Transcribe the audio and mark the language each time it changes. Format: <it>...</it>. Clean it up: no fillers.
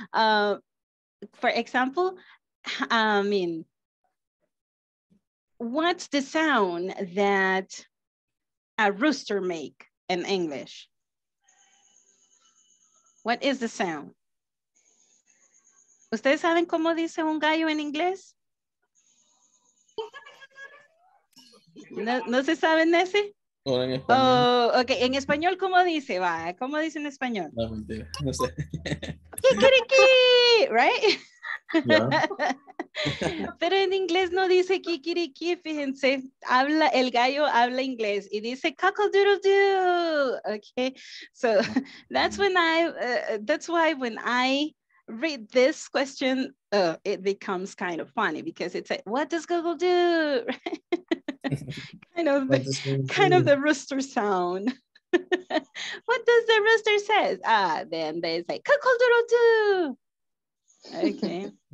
<en>For example, I mean, what's the sound that a rooster make in English? What is the sound?</en> <es>¿Ustedes saben cómo dice un gallo en inglés? ¿No se saben ese?</es> <en>Oh,</en> <es>okay. En español, ¿cómo dice? Va, ¿cómo dice en español? No, mentira. No sé.</es> <en>Kikiriki, right? No.</en> <es>Pero en inglés no dice kikiriki, fíjense. Habla, el gallo habla inglés y dice cockle-doodle-doo.</es> <en>Okay. So that's why when I read this question, it becomes kind of funny because it's like, what does Google do? kind of the rooster sound. What does the rooster say? Ah, then they say, cuckoo-doodle-doo. Okay.</en>